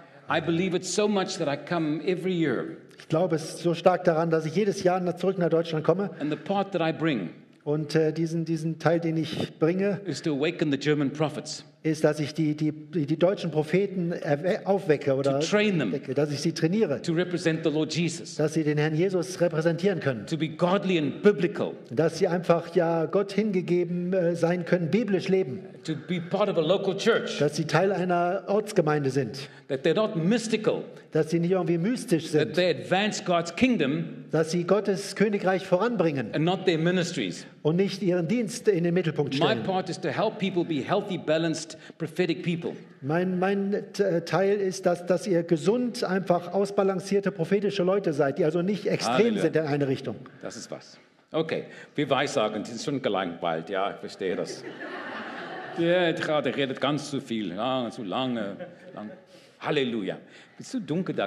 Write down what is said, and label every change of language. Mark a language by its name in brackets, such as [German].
[English] I believe it so much that I come every year. [German] Ich glaube es so stark daran, dass ich jedes Jahr zurück nach Deutschland komme. [English] And the part that I bring. [German] Und diesen Teil, den ich bringe, [English] is to awaken the German prophets. [German] ist, dass ich die deutschen Propheten aufwecke oder [English] to train them, [German] dass ich sie trainiere, [English] to represent the Lord Jesus, [German] dass sie den Herrn Jesus repräsentieren können, [English] to be godly and biblical, [German] dass sie einfach ja Gott hingegeben sein können, biblisch leben, [English] to be part of a local church, [German] dass sie Teil einer Ortsgemeinde sind, [English] that they're not mystical, [German] dass sie nicht irgendwie mystisch sind, [English] that they advance God's kingdom, [German] dass sie Gottes Königreich voranbringen [English] and not their ministries, [German] und nicht ihren Dienst in den Mittelpunkt stellen. [English] My part is to help people be healthy, balanced, prophetic people. [German] Mein Teil ist, dass ihr gesund, einfach ausbalancierte, prophetische Leute seid, die also nicht extrem Halleluja. Sind in eine Richtung. Das ist was. Okay, wir weissagen, die sind schon gelangweilt. Ja, ich verstehe das. Der redet ganz zu viel, ja, zu lange. Halleluja. Bist du dunkel da?